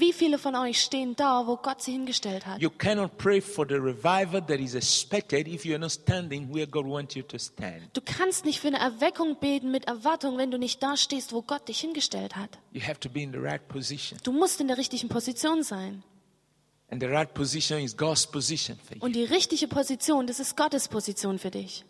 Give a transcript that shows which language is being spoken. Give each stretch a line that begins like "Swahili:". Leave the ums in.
German: wie viele von euch stehen da, wo Gott sie hingestellt hat?
English: You cannot pray for the revival that is expected if you are not standing where God wants you to stand.
German: Du kannst nicht für eine Erweckung beten mit Erwartung, wenn du nicht da stehst, wo Gott dich hingestellt hat.
English: You have to be in the right position.
German: Du musst in der richtigen Position sein.
English: And the right position is God's position for you.
German: Und die richtige Position, das ist Gottes Position für dich.